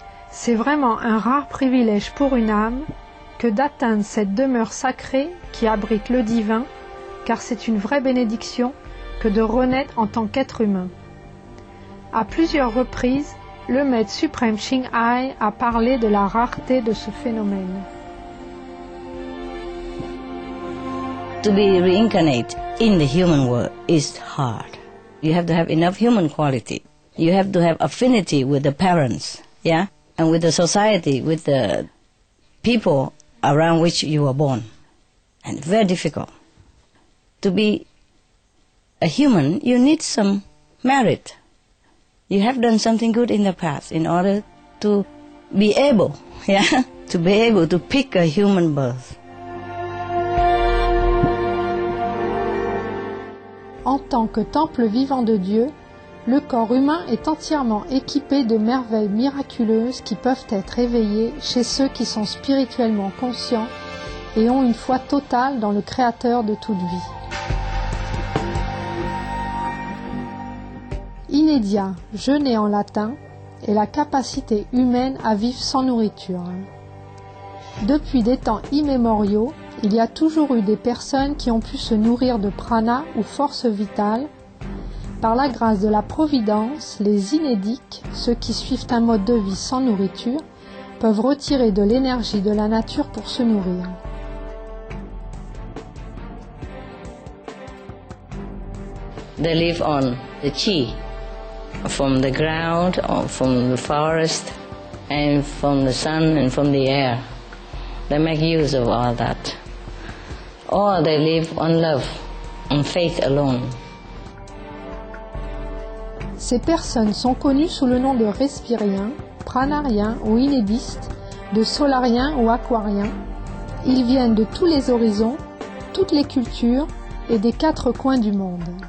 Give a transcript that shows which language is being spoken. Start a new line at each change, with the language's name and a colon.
French: C'est vraiment un rare privilège pour une âme que d'atteindre cette demeure sacrée qui abrite le divin, car c'est une vraie bénédiction que de renaître en tant qu'être humain. À plusieurs reprises, le maître suprême Ching Hai a parlé de la rareté de ce phénomène.
English: To be reincarnated in the human world is hard. You have to have enough human quality. You have to have affinity with the parents, yeah? And with the society, with the people around which you were born. And very difficult. To be a human, you need some merit. You have done something good in the past in order to be able, yeah? To be able to pick a human birth.
French: En tant que temple vivant de Dieu, le corps humain est entièrement équipé de merveilles miraculeuses qui peuvent être éveillées chez ceux qui sont spirituellement conscients et ont une foi totale dans le Créateur de toute vie. Inedia, jeûner en latin, est la capacité humaine à vivre sans nourriture. Depuis des temps immémoriaux, il y a toujours eu des personnes qui ont pu se nourrir de prana ou force vitale. Par la grâce de la Providence, les inédiques, ceux qui suivent un mode de vie sans nourriture, peuvent retirer de l'énergie de la nature pour se nourrir.
English: They live on the chi, from the ground, or from the forest, and from the sun and from the air. They make use of all that. Or they live on love, on faith alone.
French: Ces personnes sont connues sous le nom de respiriens, pranariens ou inédistes, de solariens ou aquariens. Ils viennent de tous les horizons, toutes les cultures et des quatre coins du monde.